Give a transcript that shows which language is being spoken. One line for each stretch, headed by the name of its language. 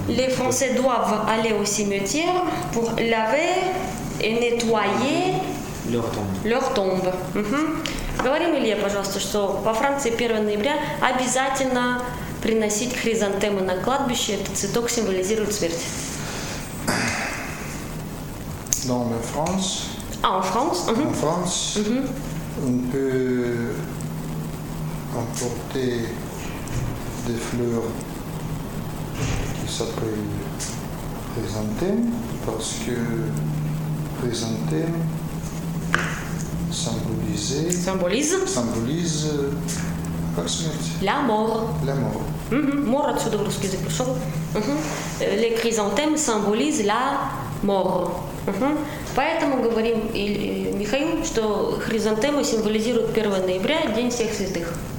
French: Les Français doivent aller au cimetière pour laver et nettoyer Leur tombe.
Russian: Говорим, Илья, пожалуйста, что во Франции 1 ноября обязательно приносить хризантемы на кладбище. Этот цветок символизирует смерть.
French: Dans la France. En France. En France. On peut emporter des fleurs qui s'appellent chrysanthèmes parce que chrysanthèmes Symbolise la смерть. La mort. La mort.
Russian: Mort отсюда в русский язык пришел.
French: Les chrysanthèmes symbolisent la mort.
Russian: Поэтому говорим Михаил, что хризантемы символизируют 1 ноября, День всех святых.